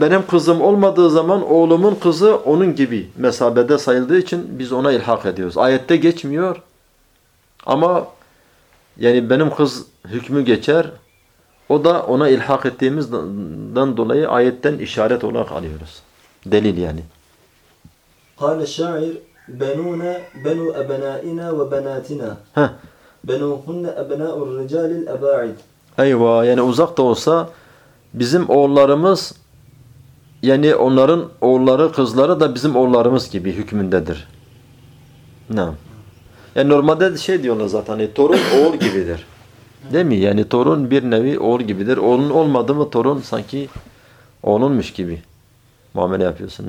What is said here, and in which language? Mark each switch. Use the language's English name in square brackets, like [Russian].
[Turkish] Benim kızım olmadığı zaman oğlumun kızı onun gibi mesabede sayıldığı için biz ona ilhak ediyoruz. Ayette geçmiyor ama yani benim kız hükmü geçer. O da ona ilhak ettiğimizden dolayı ayetten işaret olarak alıyoruz. Delil yani. [Arabic] قال الشاعر بنونا بنو أبنائنا وبناتنا بنوهن أبناء الرجال الأباعد. [Turkish] Eyvah, yani uzak da olsa bizim oğullarımız, yani onların oğulları, kızları da bizim oğullarımız gibi hükmündedir. Naam. Yani normalde şey diyorlar zaten, hani torun oğul gibidir. Değil mi? Yani torun bir nevi oğul gibidir. Oğlun olmadı mı torun sanki oğlunmuş gibi muamele yapıyorsun.